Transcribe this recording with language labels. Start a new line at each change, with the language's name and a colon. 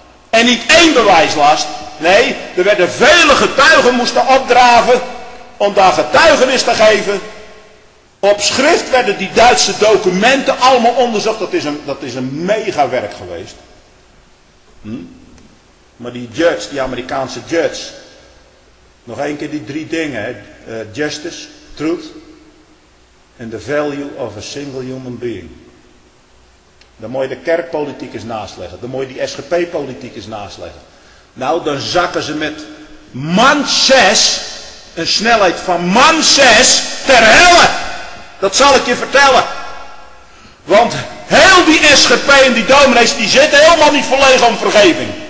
Dutch: En niet één bewijslast. Nee, er werden vele getuigen moesten opdraven om daar getuigenis te geven. Op schrift werden die Duitse documenten allemaal onderzocht. Dat is een megawerk geweest. Maar die judge, die Amerikaanse judge. Nog één keer die drie dingen.
English: Justice, truth and the value of a single human being.
Dutch: Dan moet je de kerkpolitiek eens naastleggen. Dan moet je die SGP-politiek eens naastleggen. Nou, dan zakken ze met man 6, een snelheid van man 6, ter helle. Dat zal ik je vertellen. Want heel die SGP en die dominees, die zitten helemaal niet verlegen om vergeving.